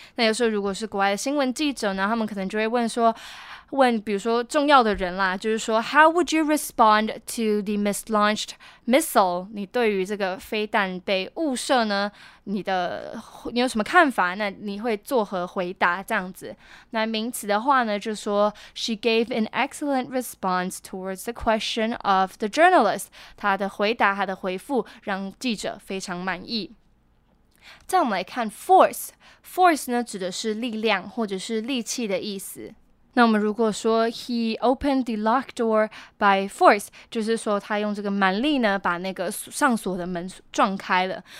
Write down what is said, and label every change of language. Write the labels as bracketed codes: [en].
[zh] 那有时候如果是国外的新闻记者呢，他们可能就会问说，问比如说重要的人啦，就是说 [en] How would you respond to the mislaunched missile？ [zh] 你对于这个飞弹被误射呢，你有什么看法？那你会作何回答？这样子。那名词的话呢，就说 [en] She gave an excellent response towards the question of the journalist。 [zh] 她的回答，她的回复，让记者非常满意。再我们来看 force 呢，指的是力量或者是力气的意思。那我们如果说 [en] he opened the locked door by force， [zh] 就是说他用这个蛮力呢把那个上锁的门撞开了。